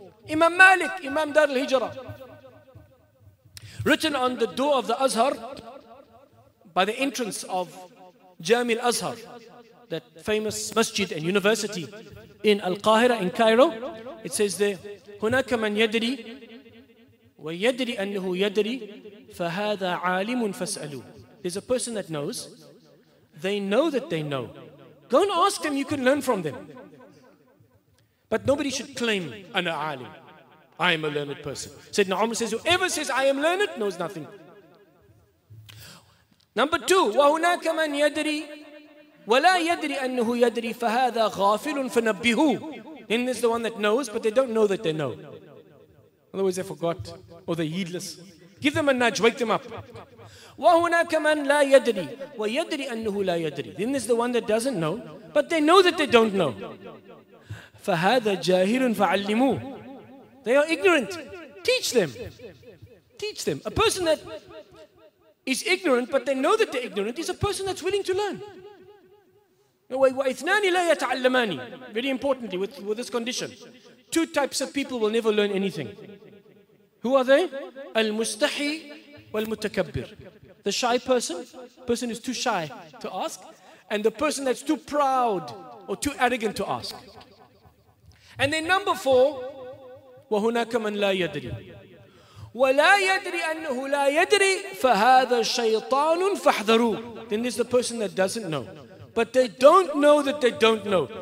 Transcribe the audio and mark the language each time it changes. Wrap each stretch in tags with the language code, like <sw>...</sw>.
<en>Imam Malik, Imam Dar al-Hijrah, written on the door of the Azhar, by the entrance of Jami al-Azhar, that famous masjid and university in Al-Qahira, in Cairo, it says there,</en> <ar>هُنَاكَ مَنْ يَدْرِي وَيَدْرِي أَنَّهُ يَدْرِي فَهَذَا عَالِمٌ فَاسْأَلُوا.</ar> <en>There's a person that knows. They know that they know. Go and ask them, you can learn from them. But nobody should claim,</en> <ar>أَنَا عَالِمٌ,</ar> <en>I am a learned person. Said Na'umar says, whoever says I am learned knows nothing. Number two,</en> <ar>وَهُنَاكَ مَنْ يَدْرِي وَلَا يَدْرِي أَنَّهُ يَدْرِي فَهَذَا غَافِلٌ فَنَبِّهُ.</ar> <en>Then there's the one that knows, but they don't know that they know. Otherwise they forgot, or they're heedless. Give them a nudge, wake them up.</en> <ar>وَهُنَاكَ مَنْ لَا يَدْرِي وَيَدْرِي أَنَّهُ لَا يَدْرِي.</ar> <en>Then there's the one that doesn't know, but they know that they don't know.</en> <ar>فَهَذَا جَاهِلٌ فَعَلِّمُوا.</ar> <en>They are ignorant. Teach them. Teach them. A person that is ignorant, but they know that they're ignorant, is a person that's willing to learn.</en> <ar>وَإِثْنَانِ لَا يَتَعَلَّمَانِ.</ar> <en>Very importantly, with this condition, two types of people will never learn anything. Who are they?</en> <ar>الْمُسْتَحِي وَالْمُتَكَبِّرِ.</ar> <en>The shy person who's too shy to ask, and the person that's too proud or too arrogant to ask. And then number four,</en> <ar>وَهُنَاكَ مَنْ لَا يَدْرِي وَلَا يَدْرِي أَنَّهُ لَا يَدْرِي فَهَذَا شَيْطَانٌ فَحْذَرُوا.</ar> <en>Then there's the person that doesn't know, but they don't know that they don't know.</en>